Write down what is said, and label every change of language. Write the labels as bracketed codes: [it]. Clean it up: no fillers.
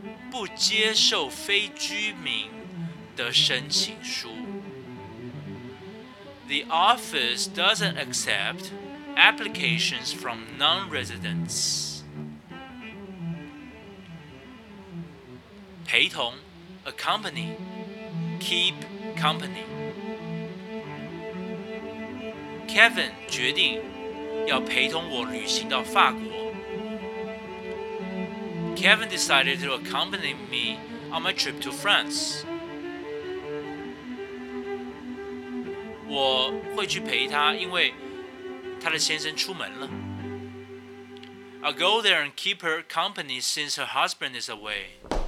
[zh] 不接受非居民的申请书。 [en] The office doesn't accept applications from non-residents. 陪同 accompany, keep company. [zh] Kevin 决定要陪同我旅行到法国。 [en] Kevin decided to accompany me on my trip to France. [zh] 我会去陪他，因为他的先生出门了。 [en] I'll go there and keep her company since her husband is away.